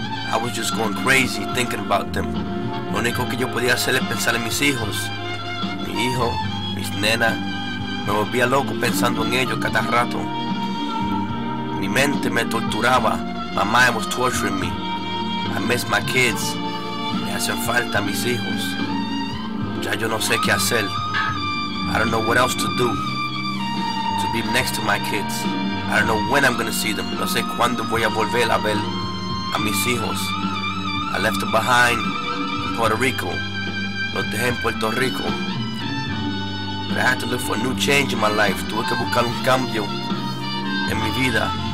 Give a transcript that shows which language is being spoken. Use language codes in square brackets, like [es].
[en] I was just going crazy thinking about them. [es] Lo único que yo podía hacer es pensar en mis hijos. Mi hijo, mis nenas. Me volvía loco pensando en ellos cada rato. Mi mente me torturaba. [en] My mind was torturing me. I miss my kids. [es] Me hacen falta mis hijos. Ya yo no sé qué hacer. [en] I don't know what else to do to be next to my kids. I don't know when I'm gonna see them. [es] No sé cuándo voy a volver a ver a mis hijos. [en] I left them behind in Puerto Rico. [es] Los dejé en Puerto Rico. [en] But I had to look for a new change in my life. [es] Tuve que buscar un cambio en mi vida.